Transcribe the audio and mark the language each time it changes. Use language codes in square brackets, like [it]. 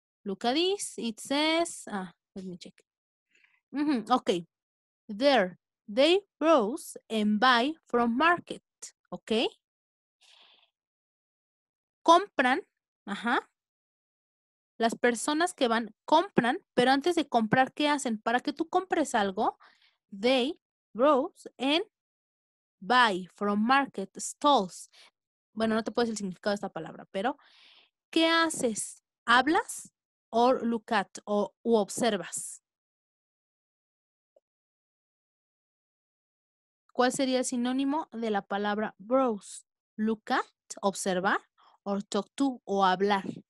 [en] Look at this. It says, let me check. Mm-hmm. Okay. There, they rose and buy from market. Okay. [es] Compran, ajá. Las personas que van compran, pero antes de comprar, ¿qué hacen? Para que tú compres algo, [en] they rose and buy from market stalls. [es] Bueno, no te puedo decir el significado de esta palabra, pero ¿qué haces? ¿Hablas o [en] look at [es] o observas? ¿Cuál sería el sinónimo de la palabra browse? [en] Look at, [es] observar, o [en] talk to [es] o hablar.